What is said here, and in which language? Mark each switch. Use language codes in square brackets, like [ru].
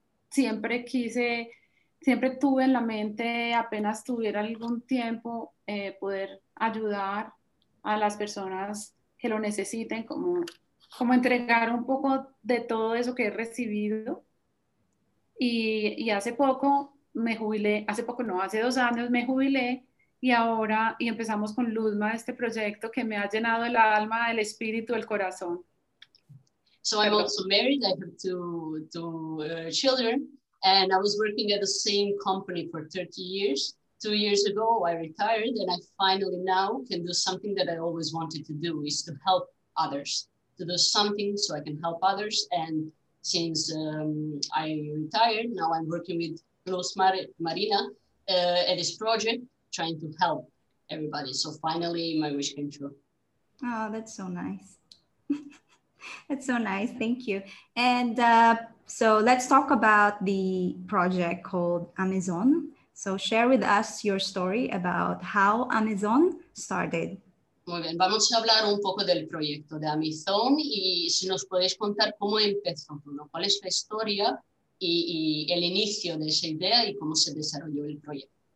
[es] Siempre tuve en la mente, apenas tuviera algún tiempo, poder ayudar a las personas que lo necesiten, como entregar un poco de todo eso que he recibido. Y hace poco me jubilé, hace 2 años me jubilé y empezamos con Luzma este proyecto que me ha llenado el alma, el espíritu, el corazón. [en] So I'm also married, I have two children, and I was working at the same company for 30 years. 2 years ago I retired and I finally now can do something that I always wanted to do, is to help others. To do something so I can help others. And since I retired, now I'm working with Luz Marina at this project, trying to help everybody. So finally, my wish came true. Oh, that's so nice. That's so nice. Thank you. And so let's talk about the project called Amizón. So share with us your story about how Amizón started. [es] Muy bien, vamos a hablar un poco del proyecto de Amizón y si nos podéis contar cómo empezó, ¿no? ¿Cuál es la historia y el inicio de esa idea y cómo se desarrolló el proyecto?